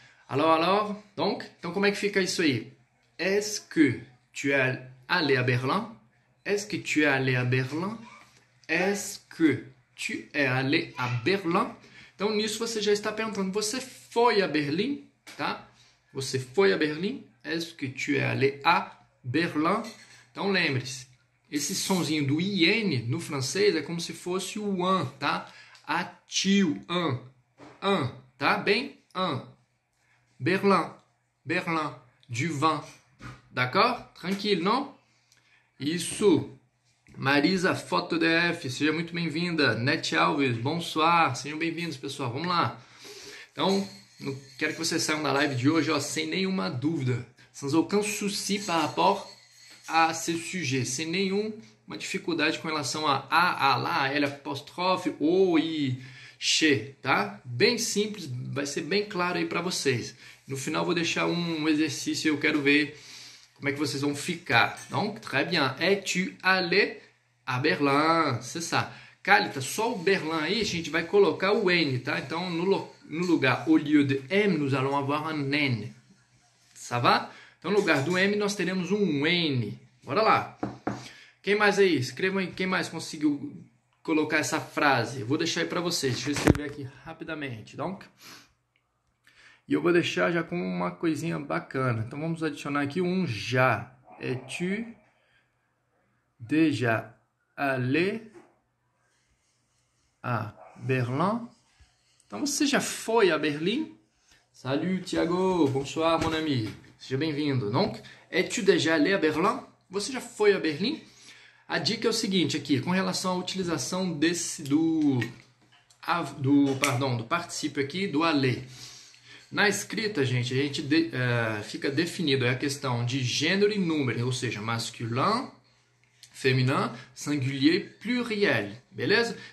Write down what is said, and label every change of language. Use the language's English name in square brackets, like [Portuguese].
[Portuguese] Alors, então, como é que fica isso aí? [French] Est-ce que tu es allé à Berlin? Est-ce que tu es allé à Berlin? Est-ce que tu es allé à Berlin? [Portuguese] Então, nisso você já está perguntando: você foi a Berlim? Tá? Você foi a Berlim? [French] Est-ce que tu es allé à Berlin? [Portuguese] Então, lembre-se: esse sonzinho do IN no francês é como se fosse o an, tá? Atio, an, tá? Bem? An. [French] Berlin, Berlin, du vin. D'accord? [Portuguese] Tranquilo, não? Isso. Marisa Foto DF, seja muito bem-vinda. Nete Alves, bonsoir. Sejam bem-vindos, pessoal. Vamos lá. Então, não quero que vocês saiam da live de hoje, ó, sem nenhuma dúvida. [French] Sans aucun souci par rapport à ce sujet. [Portuguese] Sem nenhuma dificuldade com relação a lá, elle apostrophe, o e che, tá? Bem simples, vai ser bem claro aí para vocês. No final vou deixar um exercício e eu quero ver como é que vocês vão ficar. [French] Donc, très bien. Es-tu allé à Berlin? C'est ça. [Portuguese] Carlita, só o Berlin aí a gente vai colocar o N, tá? Então, no lugar, [French] au lieu de M, nous allons avoir un N. Ça va? [Portuguese] Então, no lugar do M, nós teremos um N. Bora lá. Quem mais aí? Escrevam aí quem mais conseguiu colocar essa frase. Vou deixar aí para vocês. Deixa eu escrever aqui rapidamente. Donc. E eu vou deixar já com uma coisinha bacana. Então vamos adicionar aqui um já. [French] Es-tu déjà allé à Berlin? [Portuguese] Então você já foi a Berlim? [French] Salut, Thiago. Bonsoir, mon ami. [Portuguese] Seja bem-vindo. [French] Donc, es-tu déjà allé à Berlin? [Portuguese] Você já foi a Berlim? A dica é o seguinte aqui, com relação à utilização do particípio aqui, do allé. Na escrita, gente, fica definido a questão de gênero e número, ou seja, masculin, féminin, singulier, pluriel, beleza?